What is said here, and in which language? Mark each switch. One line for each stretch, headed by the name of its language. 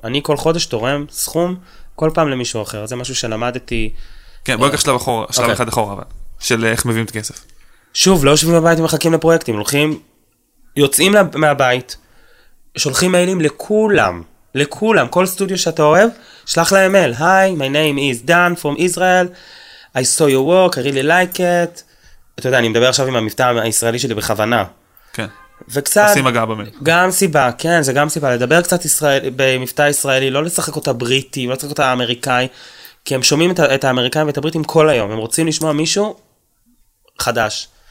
Hebrew: אני כל חודש תורם סכום כל פעם למישהו אחר. זה משהו שלמדתי. כן, בואי כשלב אחורה, שלב אחד אחורה, אבל, של איך מביאים את כסף. שוב, לא יושבים בבית ומחכים לפרויקטים. הולכים, יוצאים מהבית, שולחים מיילים לכולם, לכולם, כל סטודיו שאתה אוהב, שלח להם מייל.
English: Hi, my name is Dan from Israel. I saw your work, I really like it.
Hebrew: אתה יודע, אני מדבר עכשיו עם המבטא הישראלי שלי בכוונה. כן. וקצת... עושים אגב אמת. גם סיבה, כן, זה גם סיבה. לדבר קצת ישראל, במבטא ישראלי, לא לשחק אותה בריטי, לא לשחק אותה אמריקאי, כי הם שומעים את האמריקאים ואת הבריטים כל היום. הם רוצים לשמוע מישהו חדש.